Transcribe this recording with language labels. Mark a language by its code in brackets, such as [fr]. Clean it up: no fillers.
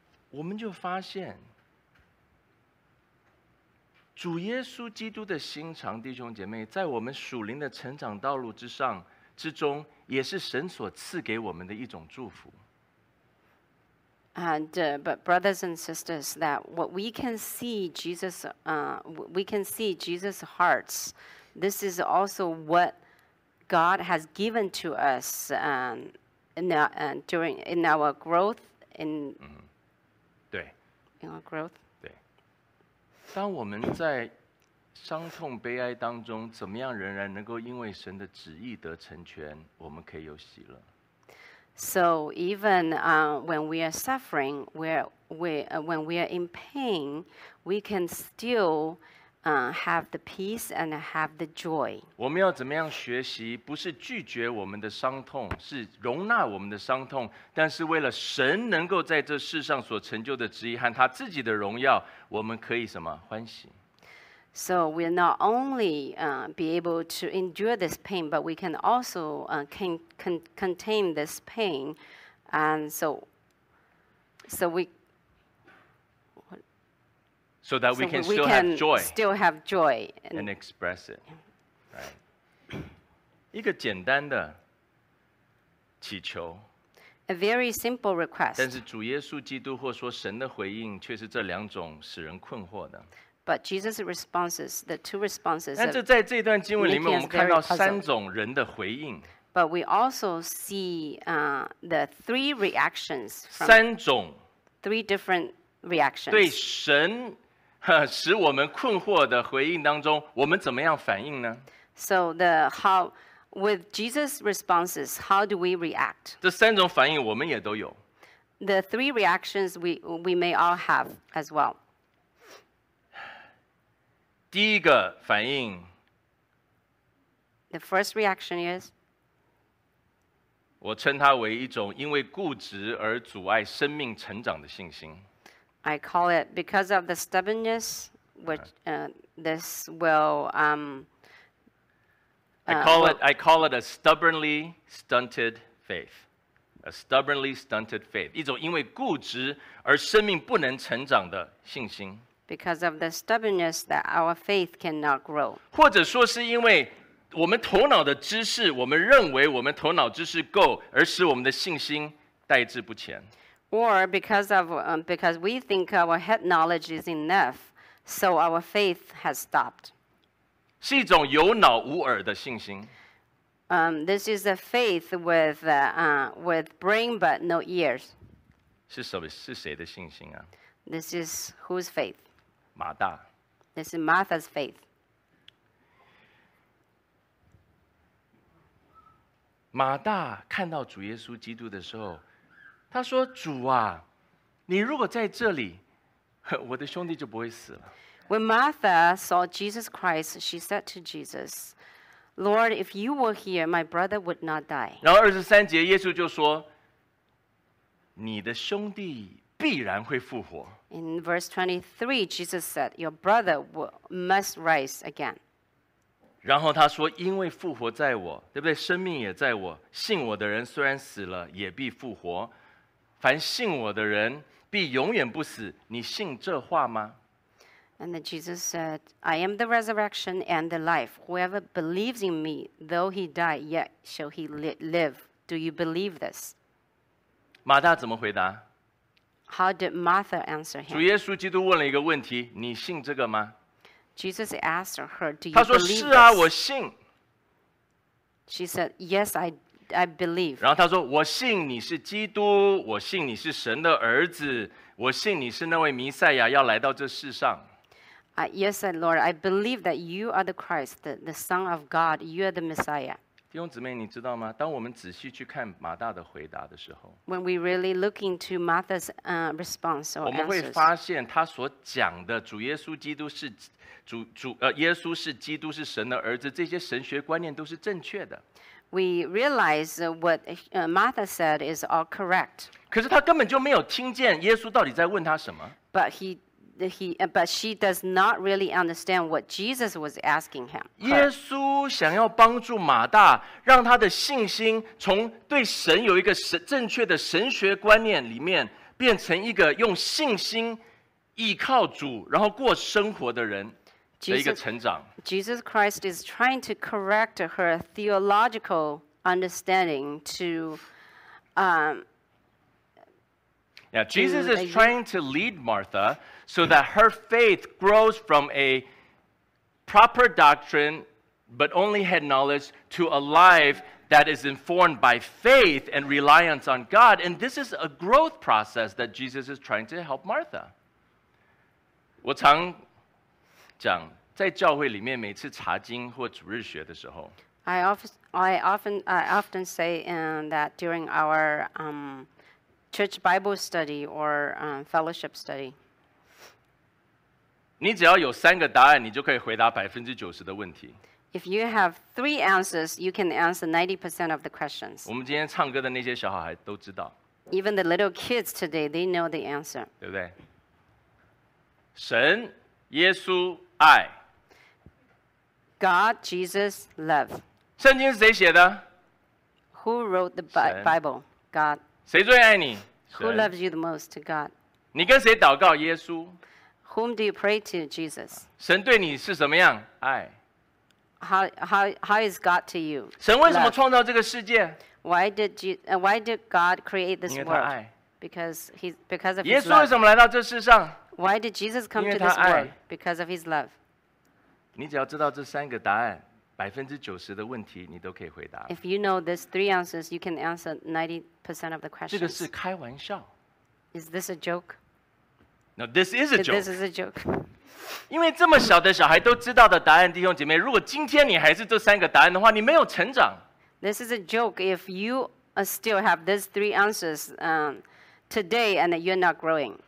[zh] 我们就发现主耶稣基督的心肠，弟兄姐妹，在我们属灵的成长道路之上之中，也是神所赐给我们的一种祝福。 [en] And but brothers and sisters, that what we can see Jesus, we can see Jesus' hearts. This is also what God has given to us in our growth. [zh] 对。当我们在伤痛悲哀当中，怎么样仍然能够因为神的旨意得成全，我们可以有喜乐。 [en] So even when we are suffering, when we are in pain, we can still have the peace and have the joy. [zh] 我们要怎么样学习？不是拒绝我们的伤痛，是容纳我们的伤痛。但是为了神能够在这世上所成就的旨意和他自己的荣耀，我们可以什么欢喜？ [en] So we'll not only be able to endure this pain, but we can also contain this pain, and so that we can still have joy and express it. Right. [zh] 一个简单的祈求。 [en] A very simple request. [zh] 但是主耶稣基督或说神的回应却是这两种使人困惑的。 [en] But Jesus' responses, the two responses. [zh] 但是在这段经文里面，我们看到三种人的回应。 [en] But we also see the three reactions. [zh] 三种。 [en] Three different reactions. [zh] 对神使我们困惑的回应当中，我们怎么样反应呢 [en] ？So the how with Jesus' responses, how do we react? [zh] 这三种反应我们也都有。 [en] The three reactions we may all have as well. [zh] 第一个反应 [en] The first reaction is [zh] 我称它为一种因为固执而阻碍生命成长的信心。 [en] I call it because of the stubbornness, which this will I call it a stubbornly stunted faith. A stubbornly stunted faith. [zh] 一种因为固执而生命不能成长的信心。 [en] Because of the stubbornness that our faith cannot grow. [zh] 或者说是因为我们头脑的知识，我们认为我们头脑知识够，而使我们的信心代志不前。 [en] Or because of because we think our head knowledge is enough, so our faith has stopped. [zh] 是一种有脑无耳的信心。 [en] This is a faith with with brain but no ears. [zh] 是谁的信心啊？ [en] This is whose faith? [zh] 马大。 [en] This is Martha's faith. [zh] 马大看到主耶稣基督的时候。他说：“主啊，你如果在这里，我的兄弟就不会死了。” [en] When Martha saw Jesus Christ, she said to Jesus, "Lord, if you were here, my brother would not die." [zh] 然后二十三节，耶稣就说：“你的兄弟必然会复活。” [en] In verse 23, Jesus said, "Your brother must rise again." [zh] 然后他说：“因为复活在我，对不对？生命也在我。信我的人虽然死了，也必复活。” 凡信我的人必永远不死，你信这话吗？ [en] And then Jesus said, I am the resurrection and the life. Whoever believes in me, though he die, yet shall he live. Do you believe this? [zh] 马大怎么回答？ [en] How did Martha answer him? [zh] 主耶稣基督问了一个问题，你信这个吗？ [en] Jesus asked her, do you believe this? [zh] 他说是啊，我信。 [en] She said, yes, I believe. [zh] 然后他说：“我信你是基督，我信你是神的儿子，我信你是那位弥赛亚要来到这世上。” [en] Yes, Lord, I believe that you are the Christ, the Son of God. You are the Messiah. [zh] 弟兄姊妹，你知道吗？当我们仔细去看马大的回答的时候 [en] ，When we really look into Martha's response or answers, [zh] 我们会发现他所讲的主耶稣基督是耶稣是基督是神的儿子，这些神学观念都是正确的。 [en] We realize what Martha said is all correct. [zh] 可是她根本就没有听见耶稣到底在问她什么。 [en] But she does not really understand what Jesus was asking him. [zh] 耶稣想要帮助马大，让他的信心从对神有一个正确的神学观念里面，变成一个用信心依靠主，然后过生活的人。 [en] Jesus Christ is trying to correct her theological understanding to. Jesus is trying to lead Martha so that her faith grows from a proper doctrine, but only head knowledge, to a life that is informed by faith and reliance on God. And this is a growth process that Jesus is trying to help Martha. [zh] 我常讲。在教会里面，每次查经或主日学的时候 [en] I often say that during our church Bible study or fellowship study. [zh] 你只要有三个答案，你就可以回答90%的问题。 [en] If you have three answers, you can answer 90% of the questions. [zh] 我们今天唱歌的那些小孩都知道。 [en] Even the little kids today, they know the answer. [zh] 对不对？神、耶稣、爱。 [en] God, Jesus, love. [zh] 圣经是谁写的？ [en] Who wrote the Bible? God. [zh] 谁最爱你？ [en] Who loves you the most? God. [zh] 你跟谁祷告？耶稣。 [en] Whom do you pray to? Jesus. [zh] 神对你是什么样？爱。 [en] How is God to you? [zh] 神为什么创造这个世界？ [en] Why did God create this world? Because of [zh] 耶稣为什么来到这世上？ [en] Why did Jesus come to this world? Because of his love. [zh] 你只要知道这三个答案，90%的问题你都可以回答。 [en] If you know these three answers, you can answer 90% of the questions. [zh] 这个是开玩笑。 [en] Is this a joke? No, this is a joke. This is a joke. [zh] 因为这么小的小孩都知道的答案，弟兄姐妹，如果今天你还是这三个答案的话，你没有成长。 [en] This is a joke. If you still have these three answers today and you're not growing.